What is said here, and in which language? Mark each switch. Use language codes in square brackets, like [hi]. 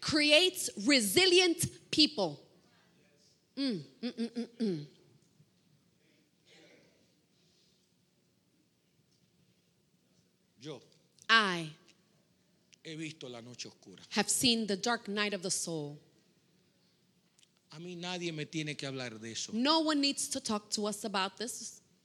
[en] creates resilient people. I [es] he visto la noche oscura. [en] Have seen the dark night of the soul. [es] A mí nadie me tiene que hablar de eso. [en] No one needs to talk to us about this.